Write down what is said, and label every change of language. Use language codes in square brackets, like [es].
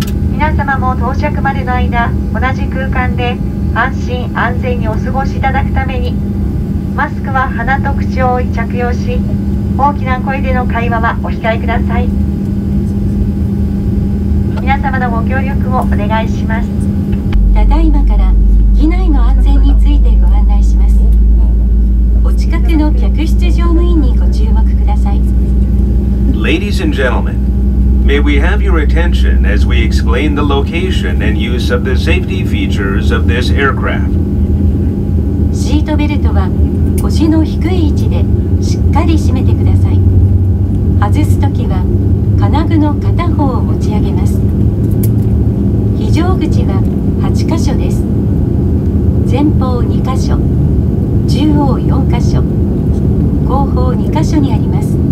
[ja] 皆様も到着までの間、同じ空間で安心安全にお過ごしいただくために、マスクは鼻と口を着用し、大きな声での会話はお控えください。皆様のご協力をお願いします。ただいまから機内の安全についてご案内します。お近くの客室乗務員にご注目ください。 [en] Ladies and gentlemen,May we have your attention as we explain the location and use of the safety features of this aircraft. [ja] シートベルトは腰の低い位置でしっかり締めてください。外すときは金具の片方を持ち上げます。非常口は8箇所です。前方2箇所、中央4箇所、後方2箇所にあります。